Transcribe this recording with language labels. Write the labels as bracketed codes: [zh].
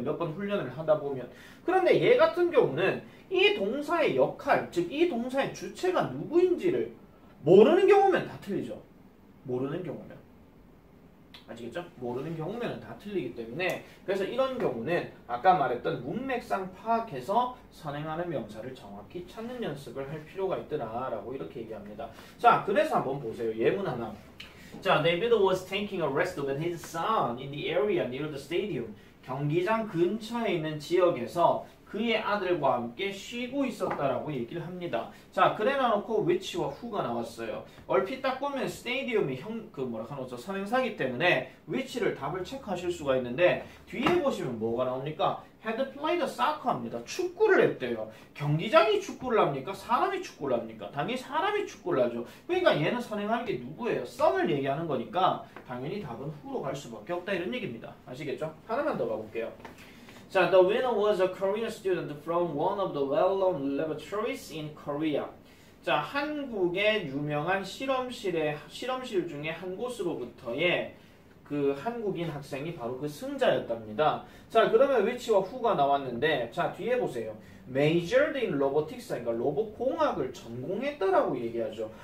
[ko] 몇 번 훈련을 하다 보면. 그런데 얘 같은 경우는 이 동사의 역할, 즉 이 동사의 주체가 누구인지를 모르는 경우면 다 틀리죠. 모르는 경우면. 아시겠죠? 모르는 경우면 다 틀리기 때문에 그래서 이런 경우는 아까 말했던 문맥상 파악해서 선행하는 명사를 정확히 찾는 연습을 할 필요가 있더라라고 이렇게 얘기합니다. 자, 그래서 한번 보세요. 예문 하나. [en] 자, David was taking a rest with his son in the area near the stadium. [ko] 경기장 근처에 있는 지역에서 그의 아들과 함께 쉬고 있었다라고 얘기를 합니다. 자, 그래 놔놓고 which와 who가 나왔어요. 얼핏 딱 보면 stadium이 선행사기 때문에 which를 답을 체크하실 수가 있는데 뒤에 보시면 뭐가 나옵니까? [en] had played soccer [ko] 합니다. 축구를 했대요. 경기장이 축구를 합니까? 사람이 축구를 합니까? 당연히 사람이 축구를 하죠. 그러니까 얘는 선행하는 게 누구예요? son을 얘기하는 거니까 당연히 답은 who로 갈 수밖에 없다 이런 얘기입니다. 아시겠죠? 하나만 더 가볼게요. [en] 자, the winner was a Korean student from one of the well-known laboratories in Korea. [ko] 자, 한국의 유명한 실험실 중에 한 곳으로부터의 그 한국인 학생이 바로 그 승자였답니다. 자, 그러면 which와 who가 나왔는데, 자, 뒤에 보세요. [en] majored in robotics, [ko] 그러니까 로봇 공학을 전공했다라고 얘기하죠.